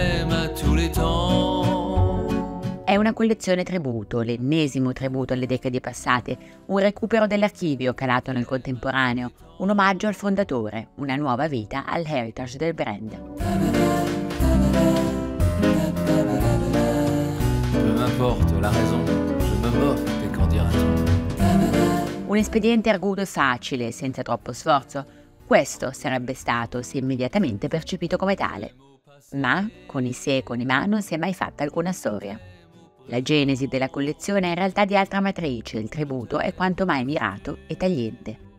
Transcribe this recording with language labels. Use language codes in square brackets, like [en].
[it] È una collezione tributo, l'ennesimo tributo alle decadi passate, un recupero dell'archivio calato nel contemporaneo, un omaggio al fondatore, una nuova vita al heritage del brand. [fr] Peu importe la raison, je me moque et qu'en dira-t-on. [it] Un espediente arguto e facile, senza troppo sforzo, questo sarebbe stato se immediatamente percepito come tale. Ma con i se e con i ma non si è mai fatta alcuna storia. La genesi della collezione è in realtà di altra matrice, il tributo è quanto mai mirato e tagliente.